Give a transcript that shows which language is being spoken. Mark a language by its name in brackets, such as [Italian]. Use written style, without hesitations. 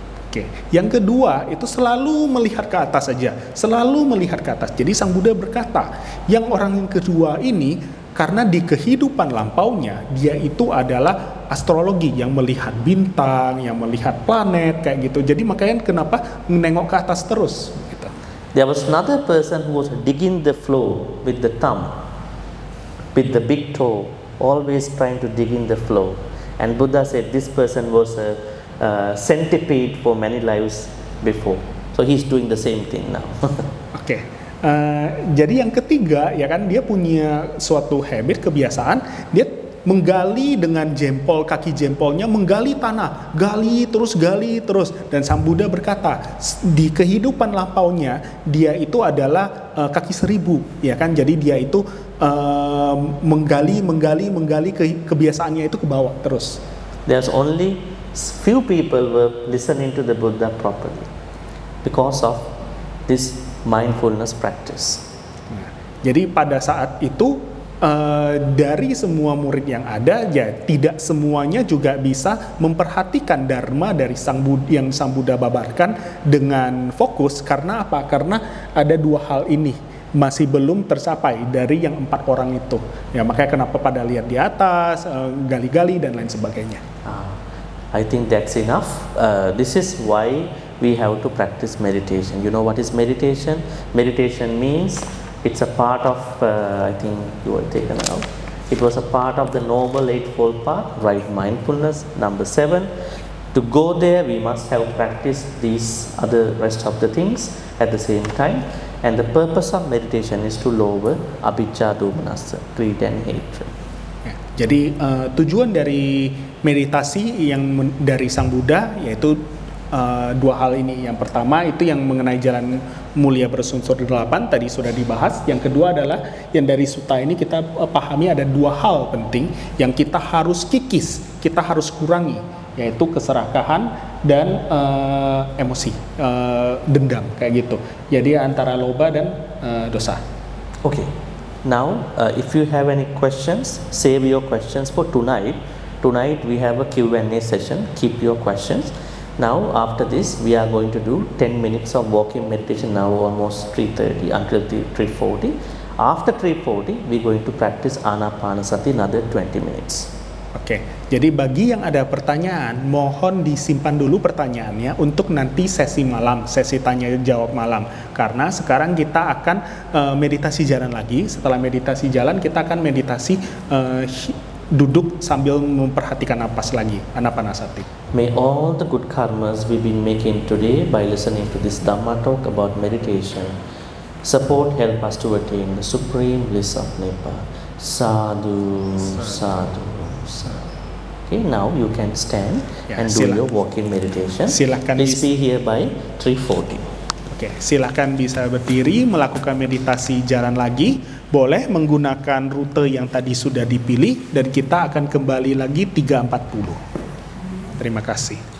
[Indonesian] Oke, yang kedua itu selalu melihat ke atas saja, selalu melihat ke atas. Jadi sang Buddha berkata, yang orang yang kedua ini karena di kehidupan lampaunya dia itu adalah astrologi yang melihat bintang, yang melihat planet kayak gitu. Jadi makanya kenapa menengok ke atas terus. Gitu. [English] There was another person who was digging the floor with the thumb, with the big toe, always trying to dig in the floor. And Buddha said this person was a centipede for many lives before, so he's doing the same thing now. [Indonesian] Okay, jadi yang ketiga, ya kan, dia punya suatu habit, kebiasaan, dia menggali dengan jempol, kaki jempolnya menggali tanah, gali terus. Dan Sang Buddha berkata, di kehidupan lampaunya dia itu adalah kaki 1000, ya kan. Jadi dia itu menggali kebiasaannya itu ke bawah terus. [English] There's only few people were listening to the Buddha properly because of this mindfulness practice. [Indonesian] Jadi pada saat itu dari semua murid yang ada, ya tidak semuanya juga bisa memperhatikan dharma dari sang Buddha babarkan dengan fokus. Karena apa? Karena ada 2 hal ini masih belum tercapai dari yang 4 orang itu. Ya makanya kenapa pada lihat di atas, gali-gali dan lain sebagainya. [English] I think that's enough. This is why we have to practice meditation. You know what is meditation? Meditation means it's a part of, I think you were taken out. It was a part of the Noble Eightfold Path, Right Mindfulness, number 7. To go there, we must have practiced these other rest of the things at the same time. And the purpose of meditation is to lower abhijja, dumanasa, greed and hatred. [Indonesian] Jadi tujuan dari meditasi yang dari Sang Buddha yaitu 2 hal ini. Yang pertama itu yang mengenai jalan mulia bersunsur 8 tadi sudah dibahas. Yang kedua adalah yang dari sutta ini kita pahami ada 2 hal penting yang kita harus kikis, kita harus kurangi, yaitu keserakahan dan emosi, dendam, kayak gitu. Jadi antara loba dan dosa. Okay. [English] Now, if you have any questions, save your questions for tonight. Tonight we have a Q&A session. Keep your questions. Now, after this, we are going to do 10 minutes of walking meditation. Now, almost 3:30 until 3:40. After 3:40, we are going to practice Anapanasati another 20 minutes. [Indonesian] Oke, jadi bagi yang ada pertanyaan, mohon disimpan dulu pertanyaannya untuk nanti sesi malam, sesi tanya jawab malam. Karena sekarang kita akan meditasi jalan lagi. Setelah meditasi jalan, kita akan meditasi duduk sambil memperhatikan napas lagi, anapanasati. [English] May all the good karmas we've been making today by listening to this Dhamma talk about meditation support help us to attain the supreme bliss of Nepa. Sadhu, sadhu, sadhu. Okay, now you can stand and do your walking meditation. [Indonesian] Silakan [English] please be here by 3:40. [Indonesian] Oke, silakan bisa berdiri melakukan meditasi jalan lagi. Boleh menggunakan rute yang tadi sudah dipilih dan kita akan kembali lagi 3:40. Terima kasih.